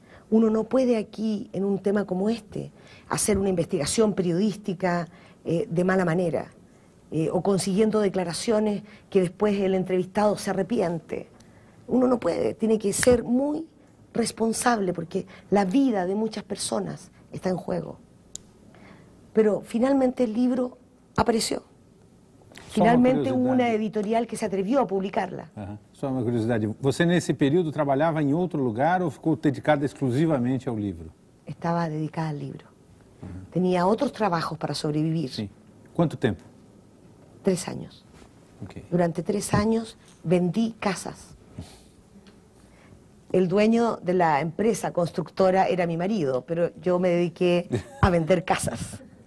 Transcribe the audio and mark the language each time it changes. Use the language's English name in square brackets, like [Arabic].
[Spanish] Uno no puede aquí, en un tema como este, hacer una investigación periodística de mala manera o consiguiendo declaraciones que después el entrevistado se arrepiente. Uno no puede, tiene que ser muy responsable porque la vida de muchas personas está en juego. Pero finalmente el libro apareció. Finalmente hubo una editorial que se atrevió a publicarla. [Portuguese] Só uma curiosidade. Você nesse período trabalhava em outro lugar ou ficou dedicada exclusivamente ao livro? Estava dedicada ao livro. [Spanish] Tenía otros trabajos para sobrevivir. Sí. ¿Cuánto tiempo? 3 años. Okay. Durante 3 años vendí casas. El dueño de la empresa constructora era mi marido, pero yo me dediqué a vender casas.